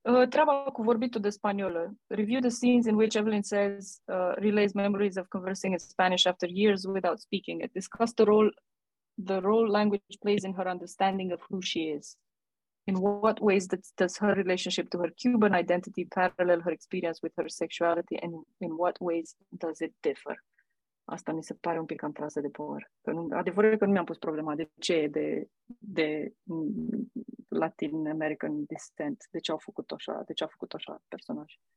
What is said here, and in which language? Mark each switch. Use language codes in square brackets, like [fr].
[ro] Treaba cu vorbitul de spaniolă. [en] Review the scenes in which Evelyn says relays memories of conversing in Spanish after years without speaking it. Discuss the role language plays in her understanding of who she is. In what ways does her relationship to her Cuban identity parallel her experience with her sexuality, and in what ways does it differ? [ro] Asta mi se pare un pic cam trasă de păr. Adevărul e că nu mi-am pus problema de ce e de [en] Latin American descent, [ro] de ce au făcut așa, de ce a făcut așa personaj.